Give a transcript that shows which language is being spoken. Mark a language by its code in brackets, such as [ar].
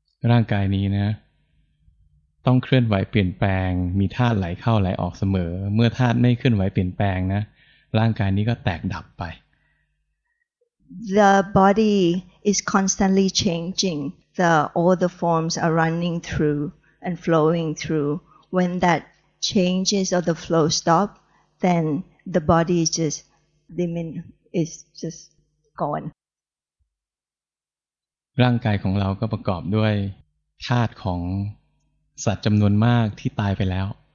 [th] ร่างกายนี้นะต้องเคลื่อนไหวเปลี่ยนแปลงมีธาตุไหลเข้าไหลออกเสมอเมื่อธาตุไม่เคลื่อนไหวเปลี่ยนแปลงนะร่างกายนี้ก็แตกดับไป [en] The body is constantly changing. All the forms are running through and flowing through. When thatchanges of the flow stop then the body is just dimming is just gone [th] ร่างกายของเราก็ประกอบด้วยธาตุของสัตว์จำนวนมากที่ตายไปแล้ว